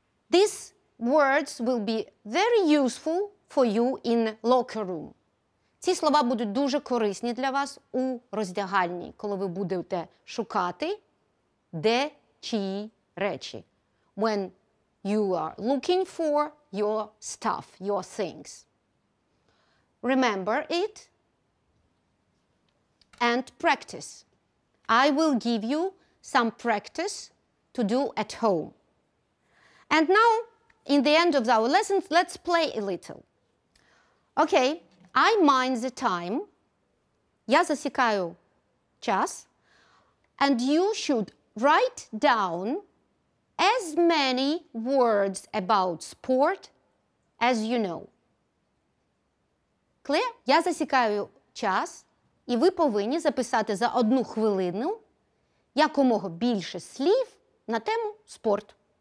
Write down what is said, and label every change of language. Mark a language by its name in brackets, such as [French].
[English] These words will be very useful for you in locker room. [Ukrainian] Ці слова будуть дуже корисні для вас у роздягальні, коли ви будете шукати, де чиї речі. [English] When you are looking for your stuff, your things. Remember it and practice. I will give you some practice to do at home. And now, in the end of our lessons, let's play a little. Okay, I mind the time. [Ukrainian] Я засікаю час. [English] And you should write down as many words about sport as you know. Clear? [Ukrainian] Я засікаю час, і ви повинні записати за одну хвилину якомога більше слів на тему спорт.